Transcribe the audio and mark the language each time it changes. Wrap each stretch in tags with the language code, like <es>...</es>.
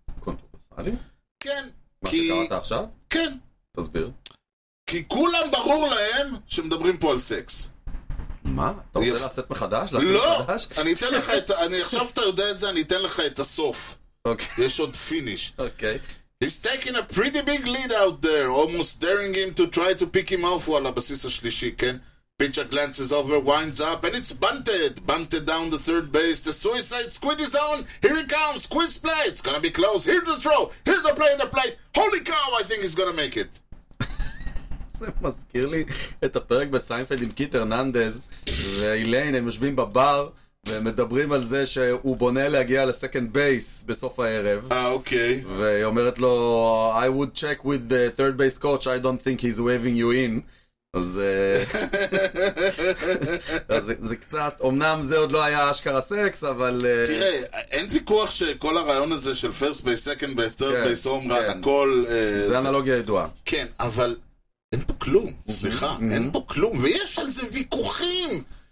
<he>קונטרוברסלי? כן. מה כי... שקראת עכשיו? כן. תסביר. כי כולם ברור להם שמדברים פה על סקס. מה? אתה רוצה לעשות מחדש? לא, אני אתן לך את... עכשיו אתה יודע את זה, אני אתן לך את הסוף. יש עוד פיניש.</he> <en>He's taking a pretty big lead out there, almost daring him to try to pick him off while</en> <he>הבסיס השלישי, כן?</he> <en>Pitcher glances over, winds up, and it's bunted. Bunted down the third base. The suicide squid is on. Here he comes. Squid splat. It's going to be close. Here's the throw. Here's the play in the plate. Holy cow, I think he's going to make it.</en> <he>זה מזכיר לי את הפרק בסיינפלד עם קיט הרננדז ואיליין, הם יושבים בבר ומדברים על זה שהוא בונה להגיע לסקנד בייס בסוף הערב. אוקיי. והיא אומרת לו,</he> <en>I would check with the third base coach, I don't think he's waving you in.</en> <he>אז זה קצת, אמנם זה עוד לא היה אשכרה סקס, אבל תראה, אין ויכוח שכל הרעיון הזה של פרסט בייס, סקנד בייס, תרד בייס, אומרן, הכל זה אנלוגיה ידועה. כן, אבל אין פה כלום, סליחה, אין פה כלום, ויש על זה ויכוחים.</he>